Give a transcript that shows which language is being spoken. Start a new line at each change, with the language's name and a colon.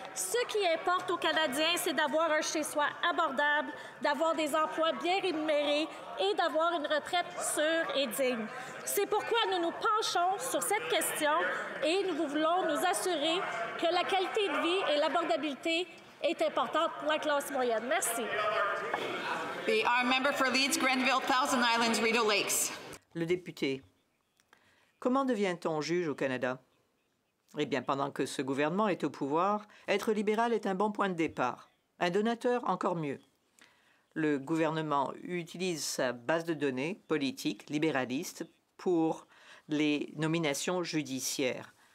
French: Ce qui importe aux Canadiens, c'est d'avoir un chez-soi abordable, d'avoir des emplois bien rémunérés et d'avoir une retraite sûre et digne. C'est pourquoi nous nous penchons sur cette question et nous voulons nous assurer que la qualité de vie et l'abordabilité est importante pour la classe moyenne. Merci.
English: The our member for Leeds, Grenville, Thousand Islands, Rideau Lakes.
French: Le député. Comment devient-on juge au Canada? Eh bien, pendant que ce gouvernement est au pouvoir, être libéral est un bon point de départ. Un donateur, encore mieux. Le gouvernement utilise sa base de données politique, libéraliste, pour les nominations judiciaires.